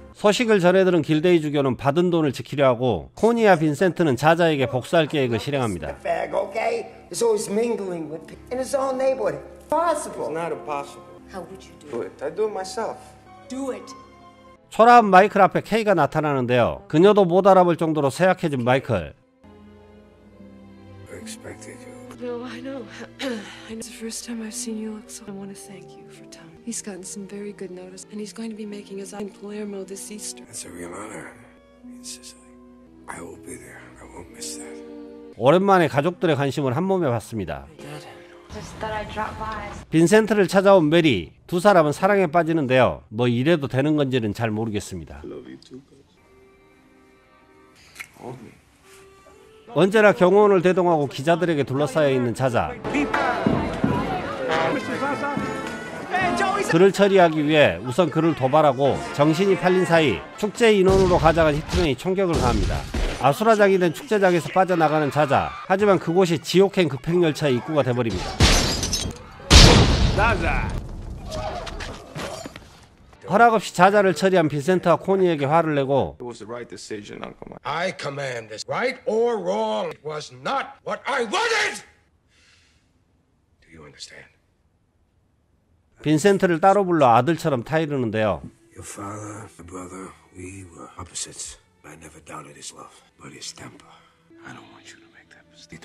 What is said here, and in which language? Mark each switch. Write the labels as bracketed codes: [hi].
[ko] 소식을 전해들은 길데이 주교는 받은 돈을 지키려 하고 코니아 빈센트는 자자에게 복수할 계획을 실행합니다. [en] Okay, it's always mingling with in his own neighborhood. Impossible. It's not impossible. How would you do it? I'd do it myself. Do it. [ko] 초라한 마이클 앞에 K가 나타나는데요. 그녀도 못 알아볼 정도로 쇠약해진 마이클. [en] I expected you. No, I know. It's the first time I've seen you look so. I want to thank you for Tom. He's gotten some very good notice, and he's going to be making his in Palermo this Easter. That's a real honor in Sicily. I will be there. I won't miss that. [ko] 오랜만에 가족들의 관심을 한 몸에 봤습니다. [en] Dad. Just that I dropped by. [ko] 빈센트를 찾아온 메리. 두 사람은 사랑에 빠지는데요. 뭐 이래도 되는 건지는 잘 모르겠습니다. [en] I love you too, guys. [ko] 언제나 경호원을 대동하고 기자들에게 둘러싸여 있는 자자. 그를 처리하기 위해 우선 그를 도발하고 정신이 팔린 사이 축제 인원으로 가져간 히트맨이 총격을 가합니다. 아수라장이 된 축제장에서 빠져나가는 자자. 하지만 그곳이 지옥행 급행열차의 입구가 되어버립니다. 자자. 허락 없이 자자를 처리한 빈센트와 코니에게 화를 내고 [en] I command this. Right or wrong, it was not what I wanted. Do you understand? [ko] 빈센트를 따로 불러 아들처럼 타이르는데요. [en] Your father, your brother, we were opposites. I never doubted his love, but his temper. I don't want you to make that mistake.